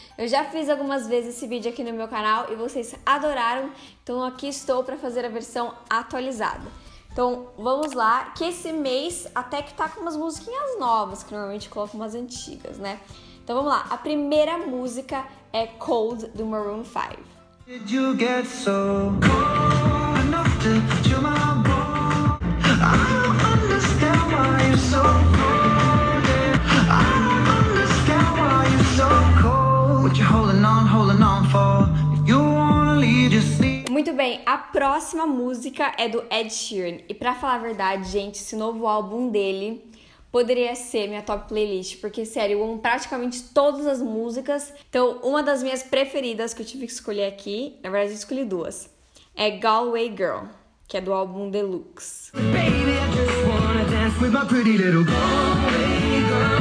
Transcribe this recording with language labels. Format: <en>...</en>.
<pt>Eu já fiz algumas vezes esse vídeo aqui no meu canal e vocês adoraram, então aqui estou pra fazer a versão atualizada. Então vamos lá, que esse mês até que tá com umas musiquinhas novas, que normalmente coloco umas antigas, né? Então vamos lá, a primeira música é Cold, do Maroon 5.</pt> <en>Did you get so cold enough to chill my bones? I don't understand why you're so cold, yeah. I don't understand why you're so cold. What you holding on for?</en> <pt>Muito bem, a próxima música é do Ed Sheeran. E pra falar a verdade, gente, esse novo álbum dele poderia ser minha top playlist, porque, sério, eu amo praticamente todas as músicas. Então, uma das minhas preferidas que eu tive que escolher aqui, na verdade eu escolhi duas, é Galway Girl, que é do álbum Deluxe.</pt> <en>Baby, I just wanna dance with my pretty little Galway Girl.</en>